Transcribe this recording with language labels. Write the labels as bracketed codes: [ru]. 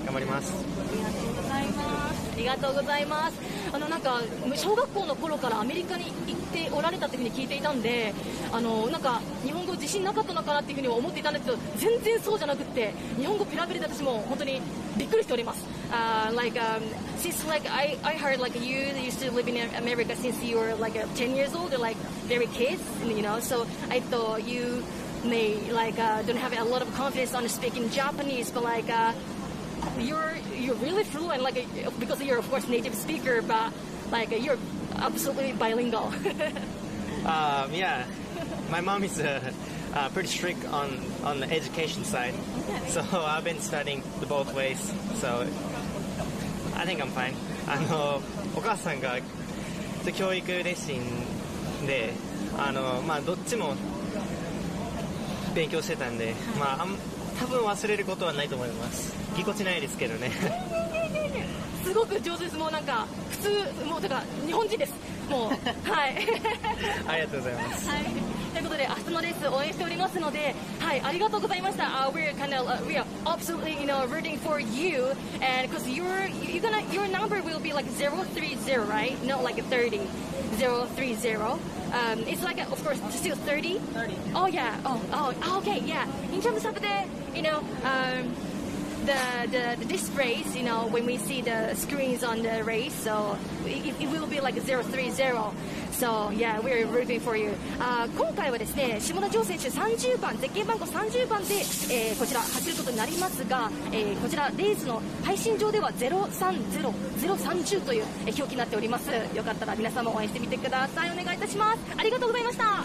[ja] 頑張ります。ありがとうございます。なんか小学校の頃からアメリカに行っておられたというふうに聞いていたんで、なんか日本語自信なかったのかなというふうに思っていたんですけど、全然そうじゃなくて日本語ペラペラで私も本当にびっくりしております。 [en] Since like I heard like you used to live in America since you were like 10 years old, like very kids, you know, so I thought you may like don't have a lot of confidence on speaking Japanese, but like you're really fluent, like because you're of course native speaker, but like you're absolutely bilingual. yeah, my mom is pretty strict on the education side, okay. So I've been studying the both ways, so I think I'm fine. [ja] お母さんが教育熱心で、まあ、どっちも勉強してたんで、まあ、多分忘れることはないと思います。ぎこちないですけどね。すごく上手です。もうなんか普通、もうだから日本人です、もう。はい、ありがとうございます。はい、ということで明日のレース応援しておりますので、はい、ありがとうございました。 [en] We're kind of we are absolutely, you know, rooting for you, and because your number will be like 030, right? Not like 30, 030. It's like of course still 30. 30. Oh yeah. Oh. Okay. Yeah. In terms of the, you know, the this race, you know, when we see the screens on the race, so it will be like 030. So, yeah, we're rooting for you. [ja] 今回はですね、下田丈選手30番、絶景番号30番で、こちら走ることになりますが、こちらレースの配信上では030という表記になっております。よかったら皆さんも応援してみてください。お願いいたします。ありがとうございました。